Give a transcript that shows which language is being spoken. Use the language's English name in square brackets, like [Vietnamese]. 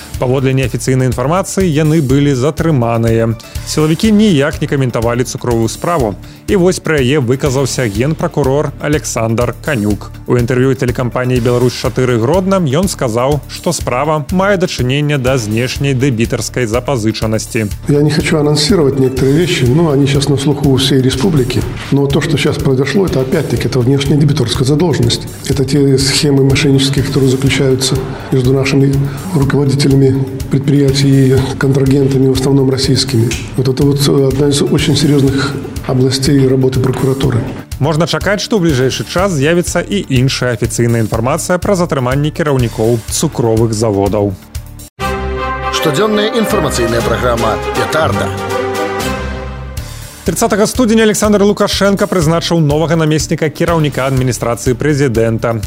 [Belarusian] Паводле неафіцыйнай інфармацыі, яны былі затрыманыя. Сілавікі ніяк не каментавалі цукровую справу. І вось пра яе выказаўся генпракурор Александр Канюк. У інтэрв'ю тэлекампаніі «Беларусь-4» Гродна ён сказаў, што справа мае дачыненне да знешняй дэбітарскай запазычанасці. [Russian] Не хочу анонсировать некоторые вещи, но они сейчас на слуху у всей республики. Но то, что сейчас произошло, это опять-таки это внешняя дебиторская задолженность. Это те схемы мошеннические, которые заключаются между нашими руководителями предприятий и контрагентами, в основном российскими. Вот это вот одна из очень серьезных областей работы прокуратуры. [Belarusian] Можна чакаць, што ў бліжэйшы час з'явіцца і іншая афіцыйная інфармацыя пра затрыманне кіраўнікоў цукровых заводаў. Штодзённая інфармацыйная праграма «Петарда». 30 студзеня Александр Лукашэнка прызначыў новага намесніка кіраўніка адміністрацыі прэзідэнта.